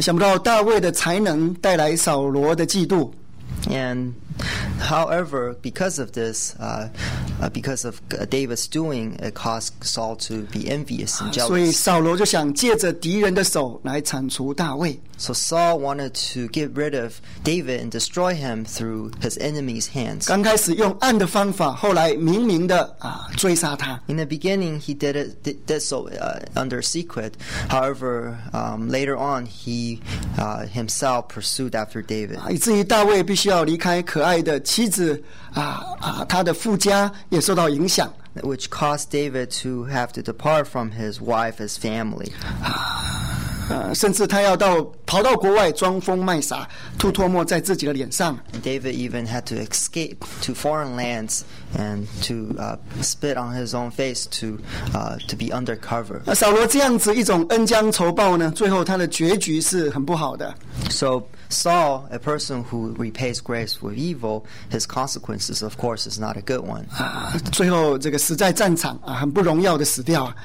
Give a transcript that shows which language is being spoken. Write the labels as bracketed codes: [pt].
[zh] 想不到大卫的才能带来扫罗的嫉妒。 [en] And however, because of this, because of David's doing, it caused Saul to be envious and jealous. [zh] 所以扫罗就想借着敌人的手来铲除大卫。 [en] So Saul wanted to get rid of David and destroy him through his enemy's hands. [zh] 刚开始用暗的方法，后来明明的追杀他。 [en] In the beginning, he did so under secret. However, later on, he himself pursued after David. [zh] 以至于大卫必须要离开可爱的妻子他的父家也受到影响。 [en] Which caused David to have to depart from his wife, his family. [zh] 甚至他要到跑到国外装疯卖傻，吐唾沫在自己的脸上。 [en] David even had to escape to foreign lands and to spit on his own face to be undercover. [zh] 扫罗这样子一种恩将仇报呢，最后他的结局是很不好的。 [en] So Saul, a person who repays grace with evil, his consequences, of course, is not a good one. [zh] 最后这个死在战场啊，很不荣耀的死掉。